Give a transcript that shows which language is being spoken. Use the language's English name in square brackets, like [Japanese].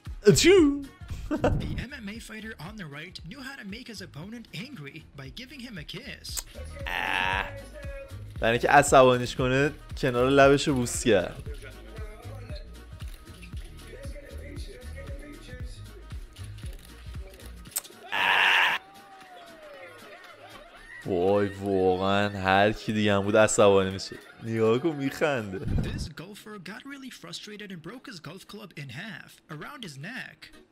[English] The MMA fighter on the right knew how to make his opponent angry by giving him a kiss. [Persian] برای اینکه عصبانیش کنه کنار لبش رو بوس کرد. وای واقعا هر کی دیگه هم بود عصبانی میشه. نگاه کن میخنده. [English] This golfer got really frustrated and broke his golf club in half around his neck.